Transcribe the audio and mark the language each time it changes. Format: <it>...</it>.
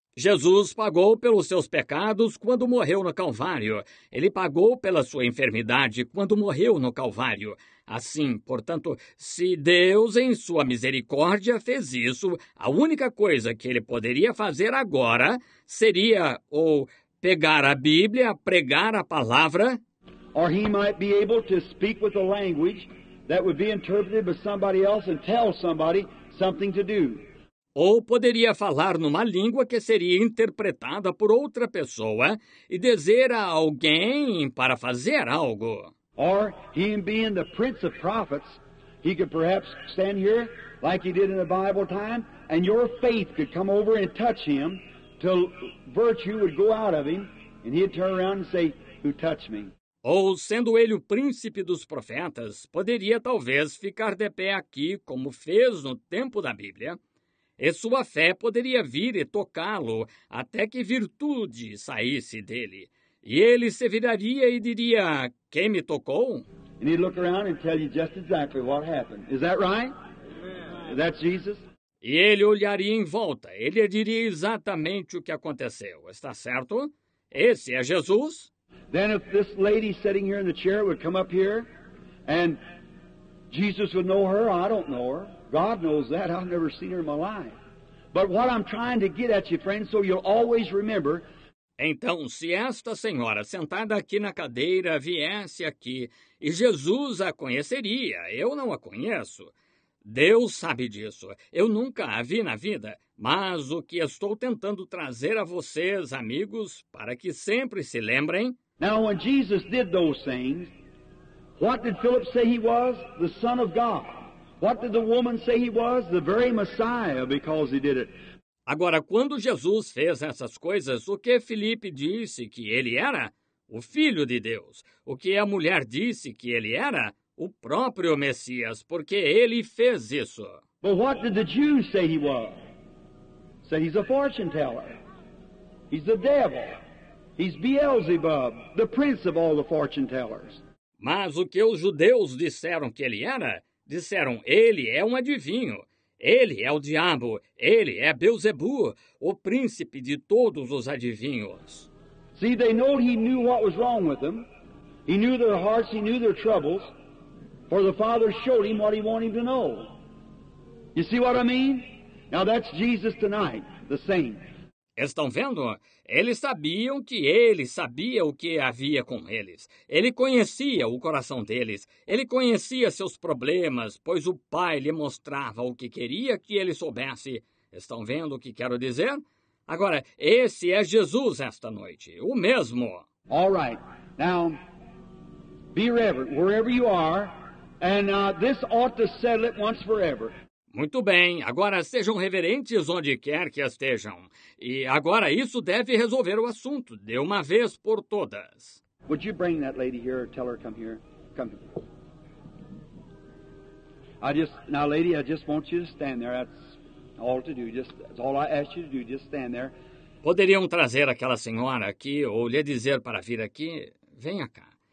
<pt>Jesus pagou pelos seus pecados quando morreu no Calvário. Ele pagou pela sua enfermidade quando morreu no Calvário. Assim, portanto, se Deus, em sua misericórdia, fez isso, a única coisa que ele poderia fazer agora seria ou pegar a Bíblia, pregar a palavra,</pt> <en>or he might be able to speak with a language that would be interpreted by somebody else and tell somebody something to do.</en> <pt>Ou poderia falar numa língua que seria interpretada por outra pessoa e dizer a alguém para fazer algo.</pt> <en>Or he being the prince of prophets, he could perhaps stand here like he did in the Bible time, and your faith could come over and touch him till virtue would go out of him, and he'd turn around and say, "Who touched me?"</en> <pt>Ou, sendo ele o príncipe dos profetas, poderia talvez ficar de pé aqui, como fez no tempo da Bíblia, e sua fé poderia vir e tocá-lo até que virtude saísse dele. E ele se viraria e diria, quem me tocou?</pt> <en>And he'd look around and tell you just exactly what happened. Is that right? Is that Jesus?</en> <pt>E ele olharia em volta. Ele diria exatamente o que aconteceu. Está certo? Esse é Jesus.</pt> <en>Then if this lady sitting here in the chair would come up here and Jesus would know her, I don't know her. God knows that. I've never seen her in my life. But what I'm trying to get at you, friend, so you'll always remember.</en> <pt>Então, se esta senhora sentada aqui na cadeira viesse aqui e Jesus a conheceria, eu não a conheço. Deus sabe disso. Eu nunca a vi na vida. Mas o que estou tentando trazer a vocês, amigos, para que sempre se lembrem.</pt> <en>Now, when Jesus did those things, what did Philip say he was? The Son of God. What did the woman say he was? The very Messiah, because he did it.</en> <pt>Agora, quando Jesus fez essas coisas, o que Filipe disse que ele era? O Filho de Deus. O que a mulher disse que ele era? O próprio Messias, porque ele fez isso.</pt> <en>But what did the Jews say he was? Say he's a fortune teller. He's the devil. He's Beelzebub, the prince of all the fortune tellers.</en> <pt>Mas o que os judeus disseram que ele era? Disseram, ele é um adivinho. Ele é o diabo, ele é Beelzebu, o príncipe de todos os adivinhos.</pt> <en>See, they know he knew what was wrong with them. He knew their hearts, he knew their troubles, for the Father showed him what he wanted him to know. You see what I mean? Now that's Jesus tonight, the same.</en> <pt>Estão vendo? Eles sabiam que ele sabia o que havia com eles. Ele conhecia o coração deles. Ele conhecia seus problemas, pois o Pai lhe mostrava o que queria que ele soubesse. Estão vendo o que quero dizer? Agora, esse é Jesus esta noite, o mesmo.</pt> <en>All right. Now, be reverent, wherever you are, and this ought to settle it once forever.</en> <pt>Muito bem, agora sejam reverentes onde quer que estejam. E agora isso deve resolver o assunto, de uma vez por todas.</pt> <en>Would you bring that lady here or tell her come here? Come here. Now, lady, I just want you to stand there. That's all I ask you to do, just stand there.</en> <pt>Poderiam trazer aquela senhora aqui ou lhe dizer para vir aqui? Venha cá.</pt>